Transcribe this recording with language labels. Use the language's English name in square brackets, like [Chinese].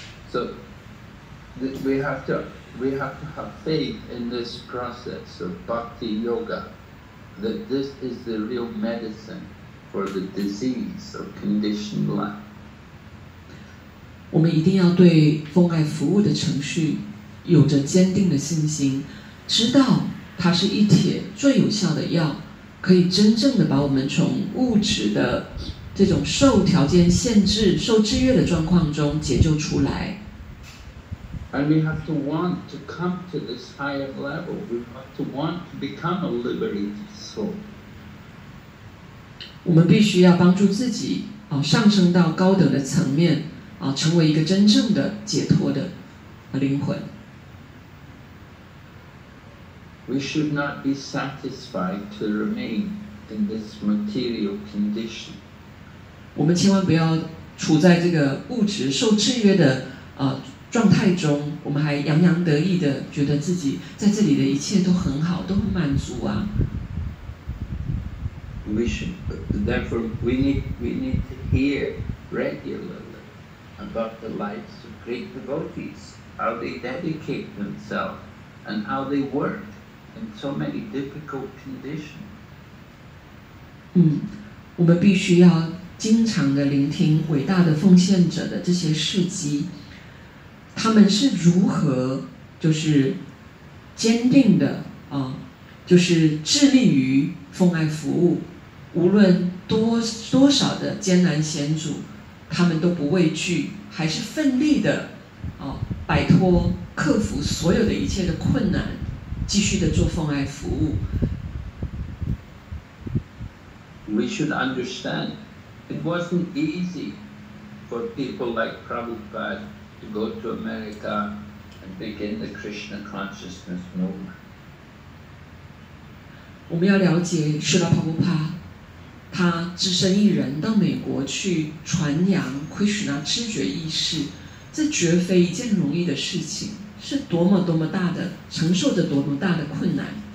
[English] So we have to have faith in this process of bhakti yoga, that this is the real medicine for the disease of conditioned life. [Chinese] 我们一定要对奉爱服务的程序有着坚定的信心，知道它是一帖最有效的药，可以真正的把我们从物质的这种受条件限制、受制约的状况中解救出来。 [English] And we have to want to come to this higher level. We have to want to become a liberated soul. [Chinese] 我们必须要帮助自己上升到高等的层面成为一个真正的解脱的灵魂。 [English] We should not be satisfied to remain in this material condition. [Chinese] 我们千万不要处在这个物质受制约的状态中，我们还洋洋得意的觉得自己在这里的一切都很好，都很满足啊。 [English] We should, therefore, we need to hear regularly about the lives of great devotees, how they dedicate themselves, and how they work in so many difficult conditions. [Chinese] 我们必须要经常的聆听伟大的奉献者的这些事迹。他们是如何就是坚定的就是致力于奉爱服务，无论多少的艰难险阻，他们都不畏惧，还是奋力的摆脱克服所有的一切的困难，继续的做奉爱服务。 [English] We should understand it wasn't easy for people like Prabhupada to go to America and begin the Krishna consciousness movement. [Chinese] 我们要了解释迦牟尼，他只身一人到美国去传扬 Krishna 知觉意识，这绝非一件容易的事情，是多么多么大的，承受着多么大的困难。